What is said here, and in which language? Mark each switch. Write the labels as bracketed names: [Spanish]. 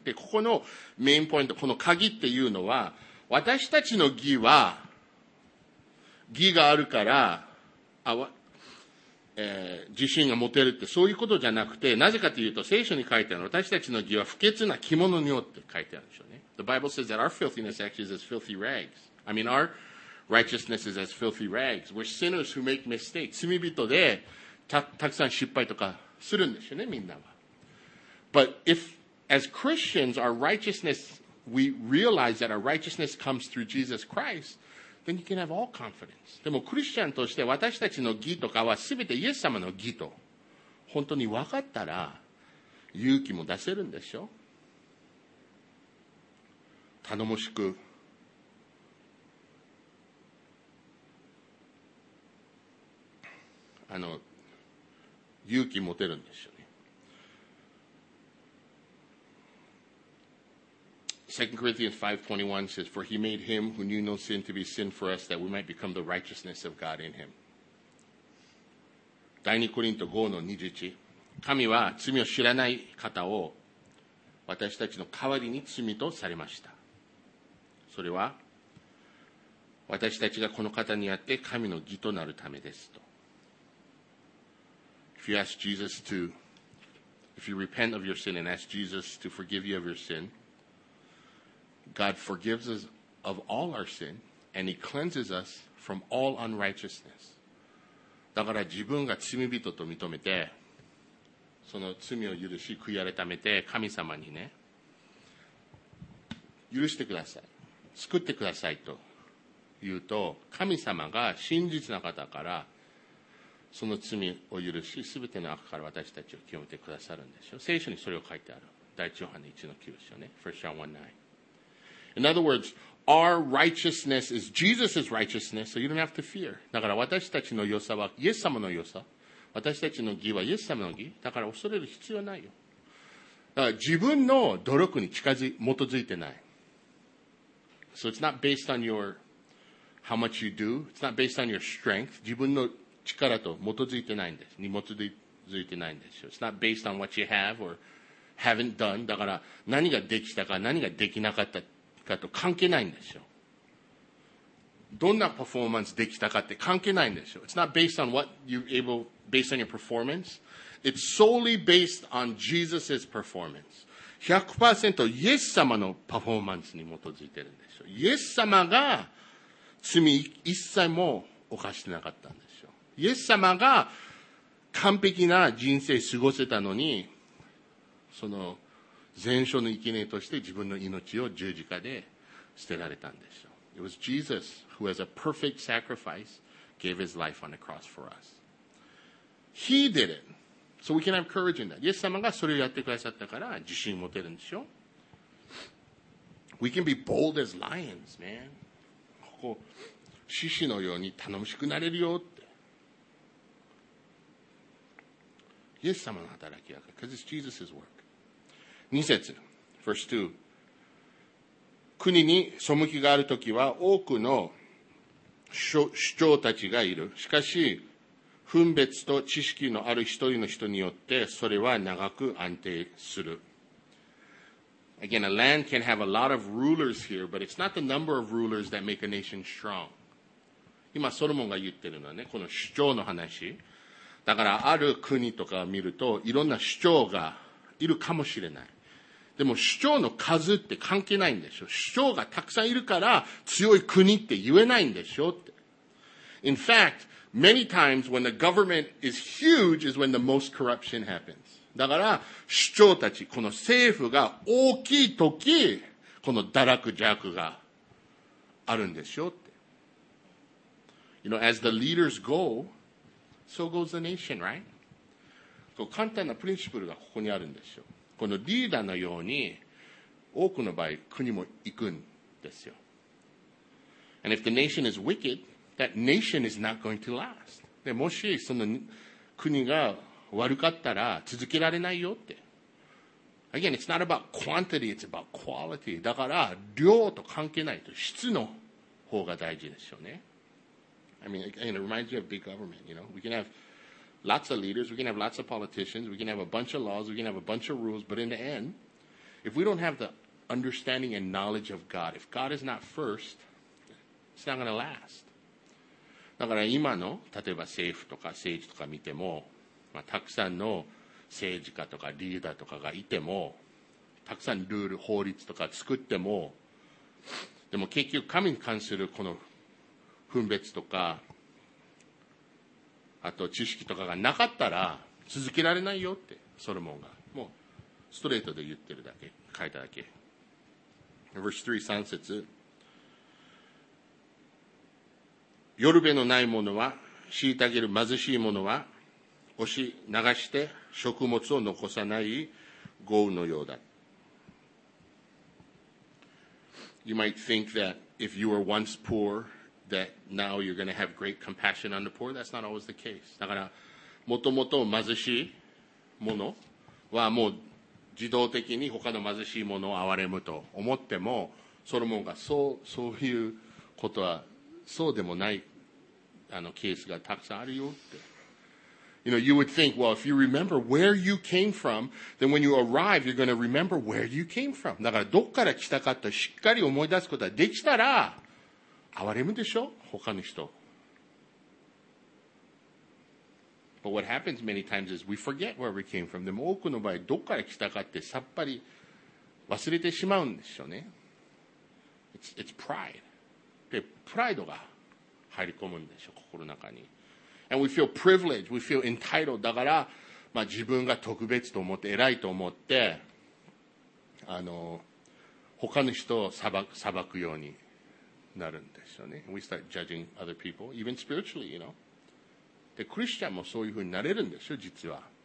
[Japanese] で、ここのメインポイント、この鍵っていうのは、私たちの義は、義があるから、自信が持てるって、そういうことじゃなくて、なぜかというと、聖書に書いてある、私たちの義は不潔な着物によって書いてあるんでしょうね。 [English] The Bible says that our filthiness actually is as filthy rags. I mean, our righteousness is as filthy rags. We're sinners who make mistakes. [Japanese] 罪人で たくさん失敗とかするんですよね、みんなは。 [English] But if, as Christians, our righteousness, we realize that our righteousness comes through Jesus Christ, then you can have all confidence. [Japanese] でもクリスチャンとして私たちの義とかは全てイエス様の義と本当に分かったら勇気も出せるんでしょ。頼もしく勇気持てるんですよね。 [English] 2 Corinthians 5:21 says, For he made him who knew no sin to be sin for us, that we might become the righteousness of God in him. [Japanese] 第2コリント 5:21 神は罪を知らない方を私たちの代わりに罪とされました。それは私たちがこの方にあって神の義となるためですと。 [English] If you ask Jesus to, if you repent of your sin and ask Jesus to forgive you of your sin, God forgives us of all our sin and He cleanses us from all unrighteousness. [Japanese] だから自分が罪人と認めて、その罪を許し悔い改めて神様にね、許してください。救ってくださいと言うと、神様が真実な方からその罪を許し、すべての悪から私たちを清めてくださるんですよ。聖書にそれを書いてある。第一ヨハネ1の9ですよね。 [English] 1 John 1:9. In other words, our righteousness is Jesus' righteousness, so you don't have to fear. [Japanese] だから私たちの良さは、イエス様の良さ、私たちの義はイエス様の義だから恐れる必要ないよ。だから自分の努力に近づ基づいてない。 [English] So it's not based on your how much you do. It's not based on your strength. [Japanese] 自分の力と基づいてないんです。に基づいてないんですよ。 [English] It's not based on what you have or haven't done. [Japanese] だから何ができたか何ができなかったかと関係ないんですよ。どんなパフォーマンスできたかって関係ないんですよ。 [English] It's not based on what you're able, based on your performance. It's solely based on Jesus' performance. [Japanese] 100% イエス様のパフォーマンスに基づいてるんですよ。イエス様が罪一切も犯してなかったんですよ。イエス様が完璧な人生過ごせたのに、その全焼の生贄として自分の命を十字架で捨てられたんですよ。 [English] It was Jesus who, as a perfect sacrifice, gave his life on the cross for us. He did it. So we can have courage in that. [Japanese] イエス様がそれをやってくださったから自信持てるんでしょ? [English] We can be bold as lions, man. [Japanese] ここ、獅子のように頼もしくなれるよって。イエス様の働きやから、 [English] because it's Jesus' work. [Japanese] 2節、 [English] verse 2。 [Japanese] 国に背きがあるときは多くの首長たちがいる。しかし、分別と知識のある一人の人によってそれは長く安定する。 [English] Again, a land can have a lot of rulers here, but it's not the number of rulers that make a nation strong. [Japanese] 今、ソロモンが言ってるのはね、この首長の話。だから、ある国とかを見ると、いろんな首長がいるかもしれない。でも首長の数って関係ないんでしょ。首長がたくさんいるから強い国って言えないんでしょって。 [English] In fact, many times when the government is huge is when the most corruption happens. [Japanese] だから首長たち、この政府が大きい時、この堕落邪悪があるんでしょって。 [English] You know, as the leaders go, so goes the nation, right? [Japanese] こう簡単なプリンシプルがここにあるんでしょ。このリーダーのように多くの場合国も行くんですよ。 [English] And if the nation is wicked, that nation is not going to last. [Japanese] でもしその国が悪かったら続けられないよって。 [English] Again, it's not about quantity, it's about quality. [Japanese] だから量と関係ないと質の方が大事ですよね。 [English] I mean, it reminds you of big government, you know. We can haveLots of leaders, we can have lots of politicians, we can have a bunch of laws, we can have a bunch of rules, but in the end, if we don't have the understanding and knowledge of God, if God is not first, it's not going to last. [Japanese] だから今の、例えば政府とか政治とか見ても、まあ、たくさんの政治家とかリーダーとかがいても、たくさんルール、法律とか作っても、でも結局神に関するこの分別とか、あと知識とかがなかったら続けられないよってソロモンがもうストレートで言ってるだけ書いただけ。 [English] Verse 3、 [Japanese] 3節、よるべのない者は虐げる、貧しい者は押し流して食物を残さない豪雨のようだ。 [English] You might think that if you were once poorThat now you're going to have great compassion on the poor. That's not always the case. [Japanese] だから、もともと貧しいものはもう自動的に他の貧しいものを憐れむと思っても、ソロモンがそういうことはそうでもないケースがたくさんあるよって。 [English] You know, you would think, well, if you remember where you came from, then when you arrive, you're going to remember where you came from. [Japanese] だから、どっから来たかとしっかり思い出すことができたら、憐れむでしょ他の人。 [English] But what happens many times is we forget where we came from. [Japanese] でも多くの場合どこから来たかってさっぱり忘れてしまうんでしょうね。 [English] It's pride. [Japanese] で、プライドが入り込むんでしょ心の中に。 [English] And we feel privileged. We feel entitled. [Japanese] だから、まあ、自分が特別と思って偉いと思って他の人を裁くようになるんですよね。 [English] We start judging other people, even spiritually, you know. [Japanese] で、クリスチャンもそういうふうになれるんですよ、実は。